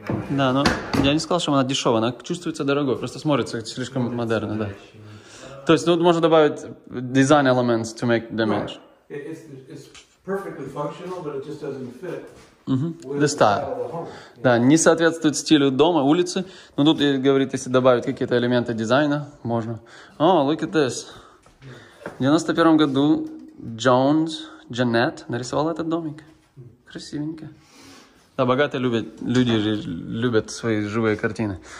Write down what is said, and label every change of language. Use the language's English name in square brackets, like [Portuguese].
[Russian] Да, но я не сказал, что она дешевая, она чувствуется дорогой, просто смотрится слишком модерно, да. То есть, ну, можно добавить [English] design elements to make them match. Right. It's perfectly functional, but it just doesn't fit the style. The [Russian] да, не соответствует стилю дома, улицы. Но тут, говорит, если добавить какие-то элементы дизайна, можно. [English] О, oh, look at this. [Russian] В 91-м году Джанет нарисовала этот домик. Красивенько. Да, богатые любят, люди любят свои живые картины.